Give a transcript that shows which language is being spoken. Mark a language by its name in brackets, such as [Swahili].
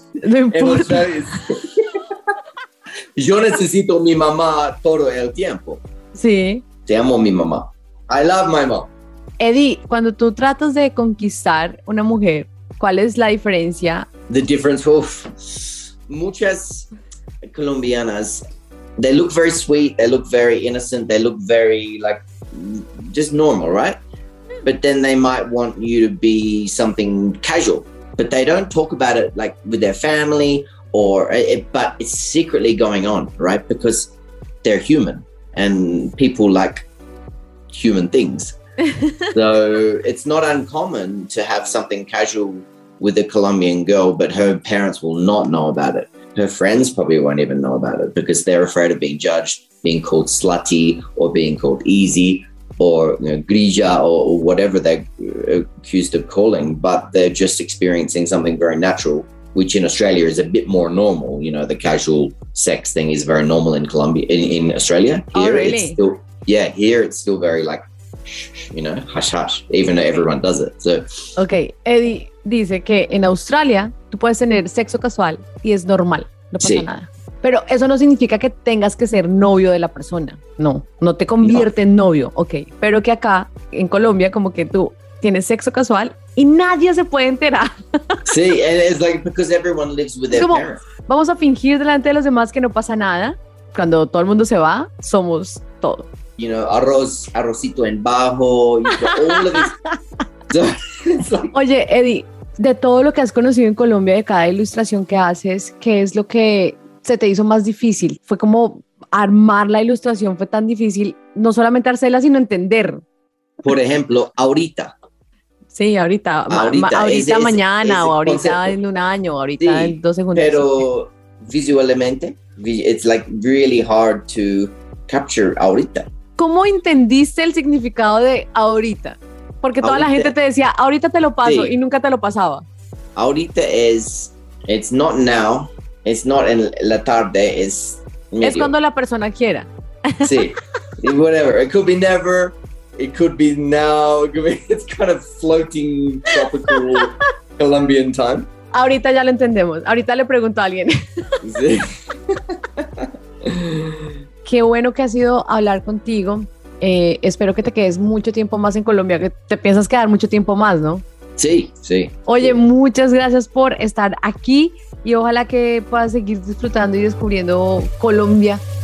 [Spanish] No importa. Yo necesito a mi mamá todo el tiempo. Sí. Te amo a mi mamá. [English] I love my mom. [Spanish] Eddie, cuando tú tratas de conquistar una mujer, ¿cuál es la diferencia? [English] The difference, [Spanish] muchas colombianas, [English] they look very sweet, they look very innocent, they look very like just normal, right? But then they might want you to be something casual, but they don't talk about it like with their family or it, but it's secretly going on, right? Because they're human and people like human things. So it's not uncommon to have something casual with a Colombian girl, but her parents will not know about it. Her friends probably won't even know about it because they're afraid of being judged, being called slutty or being called easy or, you know, grilla or whatever they're accused of calling. But they're just experiencing something very natural, which in Australia is a bit more normal. You know, the casual sex thing is very normal in Colombia, in Australia. Here, oh, really? It's still, yeah, here it's still very like, you know, hush hush, even though everyone does it. So, [Spanish] okay, Eddie dice que en Australia tú puedes tener sexo casual y es normal, no pasa nada. Pero eso no significa que tengas que ser novio de la persona. No, no te convierte en novio, okay. Pero que acá en Colombia como que tú tienes sexo casual y nadie se puede enterar. [English] Sí, it's like because everyone lives with their parents. [Spanish] Vamos a fingir delante de los demás que no pasa nada. Cuando todo el mundo se va, somos todo. [English] You know, [Spanish] arroz, arrocito en bajo, [English] all of this. [Spanish] Oye, Eddie, de todo lo que has conocido en Colombia, de cada ilustración que haces, ¿qué es lo que se te hizo más difícil? ¿Fue como armar la ilustración? ¿Fue tan difícil no solamente hacerla, sino entender? Por ejemplo, ahorita. Sí, ahorita. Ahorita, mañana, en un año, ahorita, sí, en dos segundos. Pero visualmente, [English] it's like really hard to capture ahorita. [Spanish] ¿Cómo entendiste el significado de ahorita? Porque toda ahorita, la gente te decía, ahorita te lo paso, sí, y nunca te lo pasaba. Ahorita es, [English] it's not now, it's not [Spanish] en la tarde, es medio. Es cuando la persona quiera. [English] Sí, whatever, it could be never, it could be now, it could be, it's kind of floating tropical Colombian time. [Spanish] Ahorita ya lo entendemos, ahorita le pregunto a alguien. Sí. Qué bueno que ha sido hablar contigo. Espero que te quedes mucho tiempo más en Colombia, que te piensas quedar mucho tiempo más, ¿no? Sí, sí. Oye, sí, muchas gracias por estar aquí y ojalá que puedas seguir disfrutando y descubriendo Colombia.